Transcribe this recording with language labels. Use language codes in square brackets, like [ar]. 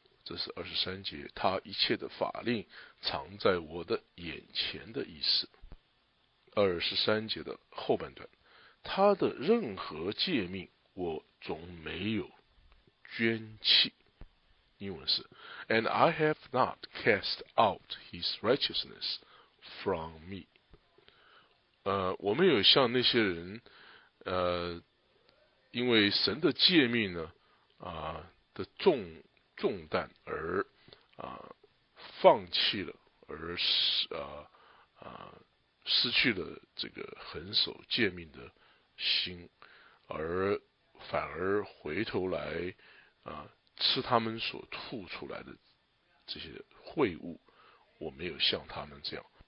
[zh] 这是23节，他一切的法令藏在我的眼前的意思。 23节的后半段，他的任何诫命我总没有捐弃。英文是 [en] And I have not cast out his righteousness from me。 [zh] 我没有像那些人因为神的诫命呢的重担而放弃了，而失去了这个恒守诫命的心，而反而回头来吃他们所吐出来的这些秽物，我没有像他们这样。